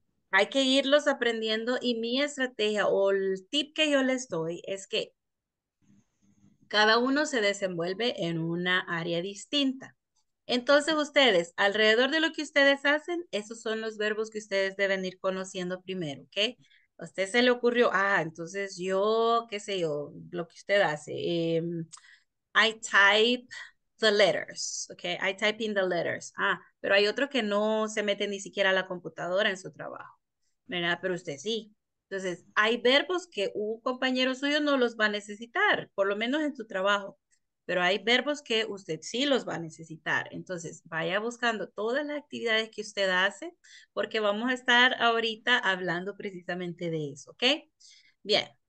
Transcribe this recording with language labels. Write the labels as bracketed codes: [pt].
[es] Hay que irlos aprendiendo y mi estrategia o el tip que yo les doy es que cada uno se desenvuelve en una área distinta. Entonces ustedes, alrededor de lo que ustedes hacen, esos son los verbos que ustedes deben ir conociendo primero, ¿ok? A usted se le ocurrió, entonces yo, qué sé yo, lo que usted hace. [en] I type the letters, ok, I type in the letters. [es] Pero hay otro que no se mete ni siquiera a la computadora en su trabajo, ¿verdad? Pero usted sí, Entonces, hay verbos que un compañero suyo no los va a necesitar, por lo menos en su trabajo. Pero hay verbos que usted sí los va a necesitar. Entonces, vaya buscando todas las actividades que usted hace, porque vamos a estar ahorita hablando precisamente de eso, ¿ok? Bien.